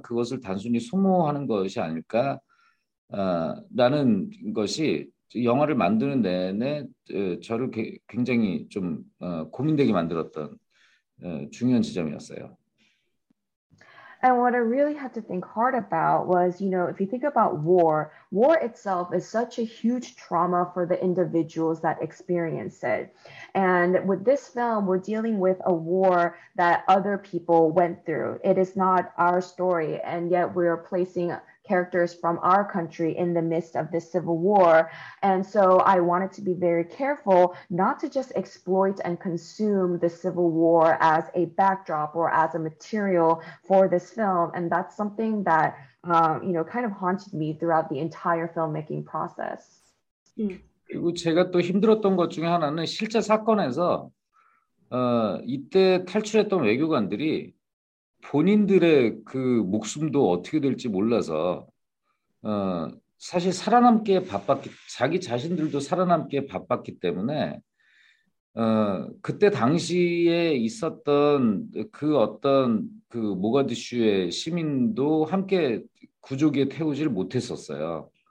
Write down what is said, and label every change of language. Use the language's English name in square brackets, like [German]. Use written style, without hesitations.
[Korean] 그것을 단순히 소모하는 것이 아닐까? 라는 것이 영화를 만드는 내내 저를 굉장히 좀 고민되게 만들었던 중요한 지점이었어요. [English] And what I really had to think hard about was, you know, if you think about war, war itself is such a huge trauma for the individuals that experience it. And with this film, we're dealing with a war that other people went through. It is not our story, and yet we're placing characters from our country in the midst of this civil war. And so I wanted to be very careful not to just exploit and consume the civil war as a backdrop or as a material for this film. And that's something that, you know, kind of haunted me throughout the entire filmmaking process. [Korean] 그리고 제가 또 힘들었던 것 중에 하나는 실제 사건에서 이때 탈출했던 외교관들이 본인들의 그 목숨도 어떻게 될지 몰라서 사실 살아남기에 바빴기 자기 자신들도 살아남기에 바빴기 때문에 그때 당시에 있었던 그 어떤 그 모가디슈의 시민도 함께 구조기에 태우질 못했었어요.